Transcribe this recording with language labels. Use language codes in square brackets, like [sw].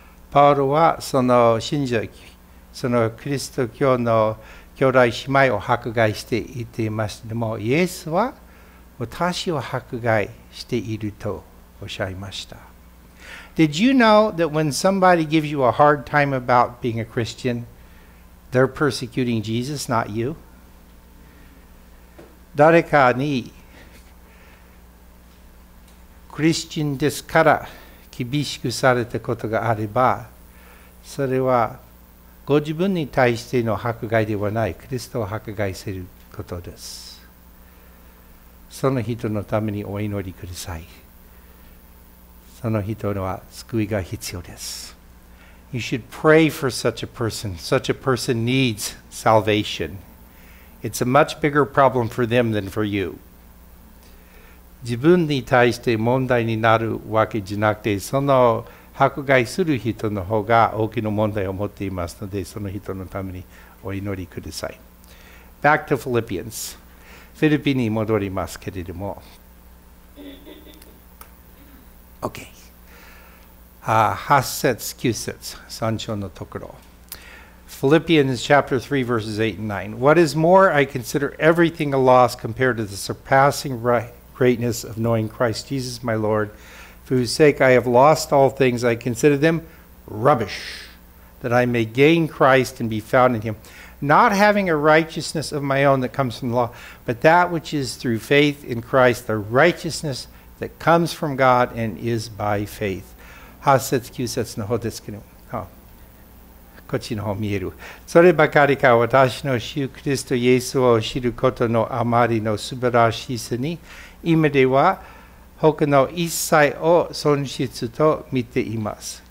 [ja] Paul はその信者、そのキリスト教の兄弟姉妹を迫害していていましたけども、イエスは私を迫害していると、おっしゃいました。 [en] Did you know that when somebody gives you a hard time about being a Christian, they're persecuting Jesus, not you? [ja] 誰かにクリスチャンですから厳しくされたことがあれば、それはご自分に対しての迫害ではない、クリストを迫害することです。その人のためにお祈りください。その人は救いが必要です。 [en] You should pray for such a person. Such a person needs salvation. It's a much bigger problem for them than for you. [ja] 自分に対して問題になるわけじゃなくて、その迫害する人の方が大きな問題を持っていますので、その人のためにお祈りください。 [en] Back to Philippians. [ja] フィリピに戻りますけれども、OK、8節9節3章のところ、 [en] Philippians chapter 3 verses 8 and 9. What is more, I consider everything a loss compared to the surpassing greatness of knowing Christ Jesus my Lord, for whose sake I have lost all things. I consider them rubbish, that I may gain Christ and be found in Him. Not having a righteousness of my own that comes from the law, but that which is through faith in Christ, the righteousness that comes from God and is by faith. [ja] 8節9節の方ですけど、こっちの方見える。そればかりか、私の主キリストイエスを知ることのあまりの素晴らしさに、今では他の一切を損失と見ています。